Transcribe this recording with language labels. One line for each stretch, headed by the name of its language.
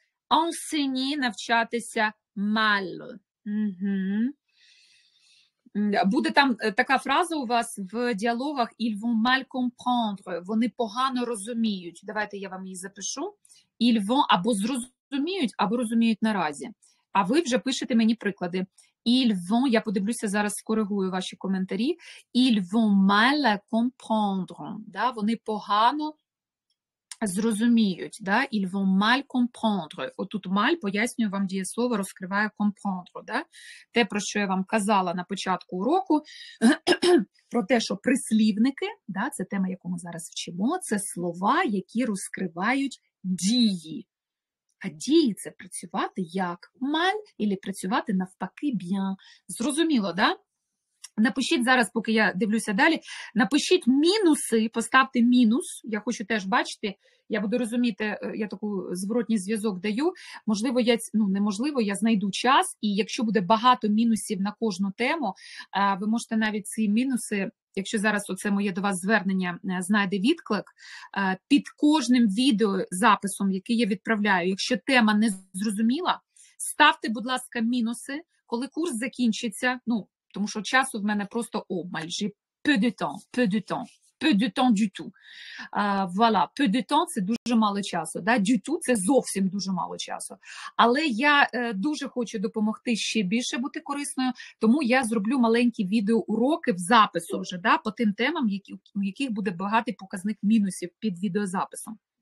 French: Enseigner,
Ukrainian: навчатися
French: mal. Угу.
Ukrainian: Буде там така фраза у вас в діалогах,
French: ils vont mal comprendre,
Ukrainian: вони погано розуміють. Давайте я вам її запишу.
French: Ils vont,
Ukrainian: або зрозуміють, або розуміють наразі. А ви вже пишете мені приклади.
French: Ils vont,
Ukrainian: я подивлюся зараз, скоригую ваші коментарі.
French: Ils vont mal comprendre, да?
Ukrainian: Вони погано зрозуміють, да?
French: Ils vont mal comprendre.
Ukrainian: Отут mal, пояснюю вам дієслово, розкриваю comprendre, да? Те, про що я вам казала на початку уроку, про те, що прислівники, да? Це тема, яку ми зараз вчимо, це слова, які розкривають дії. А дії – це працювати як? Mal або працювати навпаки bien. Зрозуміло, да? Напишіть зараз, поки я дивлюся далі, напишіть мінуси, поставте мінус. Я хочу теж бачити, я буду розуміти, я таку зворотній зв'язок даю. Можливо, я, ну, неможливо, я знайду час, і якщо буде багато мінусів на кожну тему, ви можете навіть ці мінуси, якщо зараз оце моє до вас звернення знайде відклик, під кожним відеозаписом, який я відправляю, якщо тема не зрозуміла, ставте, будь ласка, мінуси, коли курс закінчиться, ну, тому що часу в мене просто обмаль.
French: J'ai peu de temps, peu de temps, peu de temps du tout. Voilà, peu de temps
Ukrainian: – це дуже мало часу. Да?
French: Du tout
Ukrainian: – це зовсім дуже мало часу. Але я дуже хочу допомогти ще більше бути корисною, тому я зроблю маленькі відеоуроки в запису вже, да? По тим темам, у яких буде багатий показник мінусів під відеозаписом.